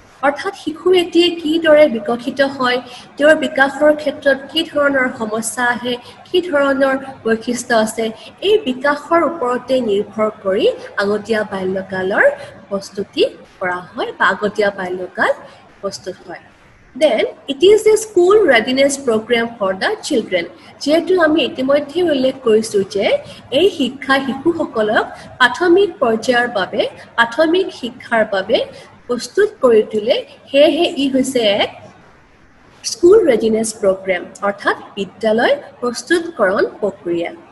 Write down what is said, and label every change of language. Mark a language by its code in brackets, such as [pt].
[as] অৰ্থাৎ শিশু এতিয়া কিদৰে বিকশিত হয়, তেওঁৰ বিকাশৰ ক্ষেত্ৰত কি ধৰণৰ সমস্যা আহে, কি ধৰণৰ বৈশিষ্ট্য আছে, এই বিকাশৰ ওপৰতে নিৰ্ভৰ কৰি আগতীয়া বাল্যকালৰ প্ৰস্তুতি কৰা হয় বা আগতীয়া বাল্যকাল প্ৰস্তুত হয়। [en] Then, it is a school readiness program for the children. [as] যিহেতু আমি ইতিমধ্যে উল্লেখ কৰিছোঁ যে এই শিক্ষা শিশুসকলক প্ৰাথমিক পৰ্যায়ৰ বাবে, প্ৰাথমিক শিক্ষাৰ বাবে প্ৰস্তুত কৰি তোলে, সেয়েহে ই হৈছে এক স্কুল ৰেডিনেছ প্ৰগ্ৰেম, অৰ্থাৎ বিদ্যালয় প্ৰস্তুতকৰণ প্ৰক্ৰিয়া।